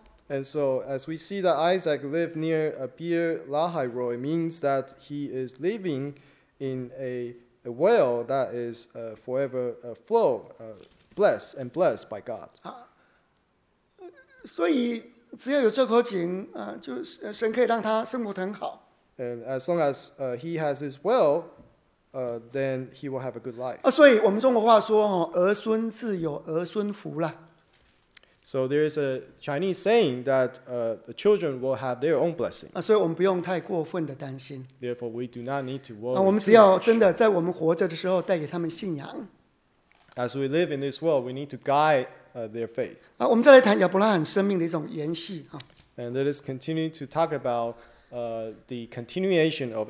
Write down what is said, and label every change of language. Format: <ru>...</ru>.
<en>And so as we see that Isaac lived near a Beer Lahai-Roi, it means that he is living in a well that is forever flow, blessed and blessed by God.</en> <zh>所以只要有这口井, 就, 神可以让他生活得很好。</zh> <en>And as long as he has his well, then he will have a good life.</en> <zh>所以我们中国话说, 儿孙自有儿孙福了。</zh> <en>So there is a Chinese saying that the children will have their own blessing.</en> <zh>所以我们不用太过分的担心。</zh> <en>Therefore, we do not need to worry.</en> <zh>我们只要真的在我们活着的时候带给他们信仰。</zh> <en>As we live in this world, we need to guide their faith.</en> <zh>我们再来谈亚伯拉罕生命的一种延续。</zh> <en>And let us continue to talk about the continuation of</en>